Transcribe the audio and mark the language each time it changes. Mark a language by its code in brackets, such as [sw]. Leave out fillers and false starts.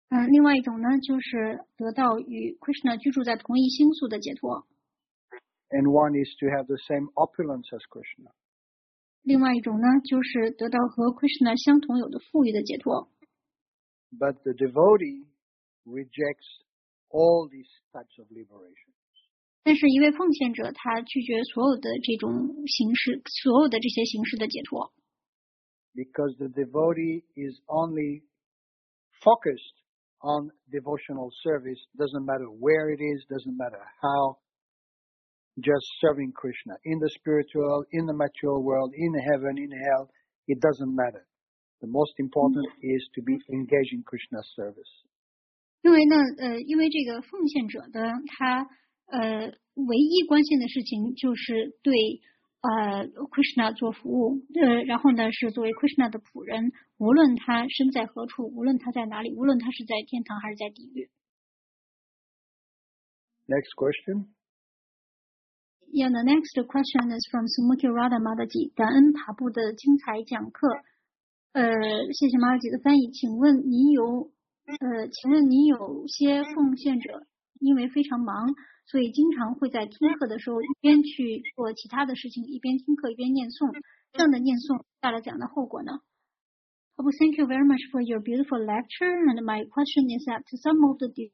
[zh] 另外一种呢，就是得到与 Krishna 居住在同一星宿的解脱。 [en] And one is to have the same opulence as Krishna. [zh] 另外一种呢，就是得到和 Krishna 相同有的富裕的解脱。 [en] But the devotee rejects all these types of liberation. [zh] 但是一位奉献者，他拒绝所有的这种形式，所有的这些形式的解脱。 [en] Because the devotee is only focused on devotional service, doesn't matter where it is, doesn't matter how, just serving Krishna in the spiritual, in the material world, in heaven, in hell, it doesn't matter. The most important is to be engaged in Krishna's service. [zh] 因为呢，因为这个奉献者的他，唯一关心的事情就是对。 Krishna 做服务，然后呢是作为 Krishna 的仆人，无论他身在何处，无论他在哪里，无论他是在天堂还是在地狱。 [en] Next question. Yeah, the next question is from Sumukhi Radha Madhaji. [zh] 感恩爬布的精彩讲课。谢谢 Madhaji 的翻译。请问您有些奉献者因为非常忙。所以经常会在听课的时候一边去做其他的事情，一边听课一边念诵。这样的念诵带来怎样的后果呢？ [en] Oh, thank you very much for your beautiful lecture. And my question is that to some of the